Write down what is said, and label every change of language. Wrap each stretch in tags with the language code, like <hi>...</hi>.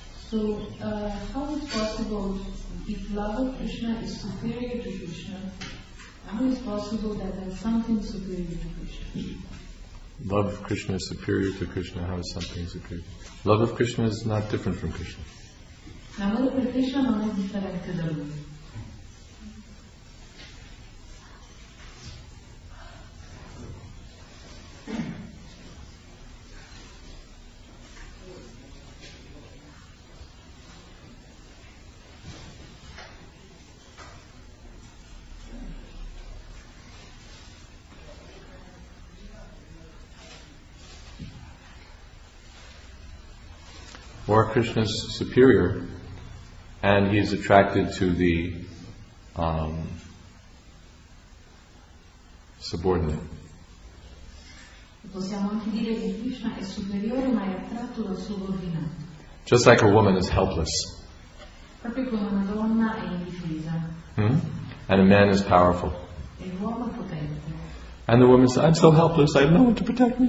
<en>So how is it possible, if love of Krishna is superior to Krishna, how is it possible that there is something superior to Krishna? Love of Krishna is superior to Krishna, how is something superior? Love of Krishna is not different from Krishna.</en> <it>L'amore per Krishna non è differente da lui.</it> <en>Or Krishna's superior, and he is attracted to the subordinate.</en> <it>Possiamo anche dire che Krishna è superiore, ma è attratto dal subordinato.</it> <en>Just like a woman is helpless.</en> <it>Proprio come una donna è indifesa.</it> <en>And a man is powerful.</en> <it>E l'uomo potente.</it> <en>And the woman says, "I'm so helpless. I have no one to protect me.</en>